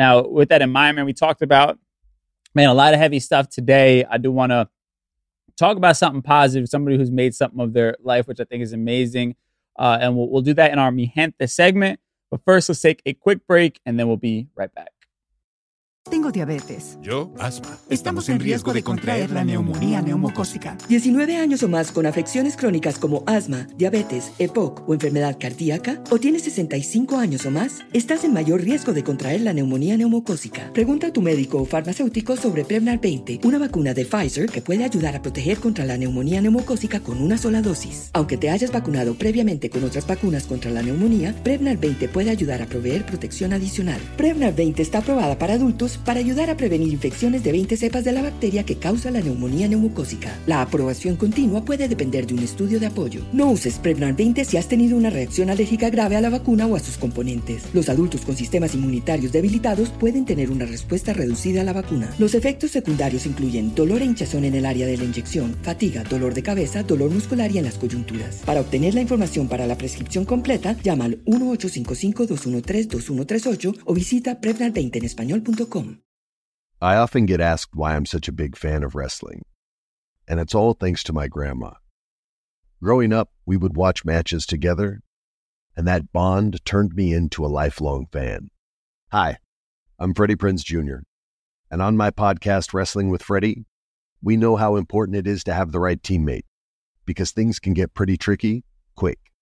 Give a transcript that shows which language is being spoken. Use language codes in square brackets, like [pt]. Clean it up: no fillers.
[en] Now, with that in mind, man, we talked about, man, a lot of heavy stuff today. I do want to talk about something positive, somebody who's made something of their life, which I think is amazing. And we'll do that in our Mi Gente segment. But first, let's take a quick break, and then we'll be right back. [es] Tengo diabetes. Yo, asma. Estamos en riesgo de contraer la neumonía neumocócica. 19 años o más con afecciones crónicas como asma, diabetes, EPOC o enfermedad cardíaca, o tienes 65 años o más, estás en mayor riesgo de contraer la neumonía neumocócica. Pregunta a tu médico o farmacéutico sobre Prevnar 20, una vacuna de Pfizer que puede ayudar a proteger contra la neumonía neumocócica con una sola dosis. Aunque te hayas vacunado previamente con otras vacunas contra la neumonía, Prevnar 20 puede ayudar a proveer protección adicional. Prevnar 20 está aprobada para adultos para ayudar a prevenir infecciones de 20 cepas de la bacteria que causa la neumonía neumocócica. La aprobación continua puede depender de un estudio de apoyo. No uses Prevnar 20 si has tenido una reacción alérgica grave a la vacuna o a sus componentes. Los adultos con sistemas inmunitarios debilitados pueden tener una respuesta reducida a la vacuna. Los efectos secundarios incluyen dolor e hinchazón en el área de la inyección, fatiga, dolor de cabeza, dolor muscular y en las coyunturas. Para obtener la información para la prescripción completa, llama al 1-855-213-2138 o visita Prevnar20enespañol.com. [en] I often get asked why I'm such a big fan of wrestling, and it's all thanks to my grandma. Growing up, we would watch matches together and that bond turned me into a lifelong fan. Hi, I'm Freddie Prinze Jr., and on my podcast, Wrestling with Freddie, we know how important it is to have the right teammate, because things can get pretty tricky quick.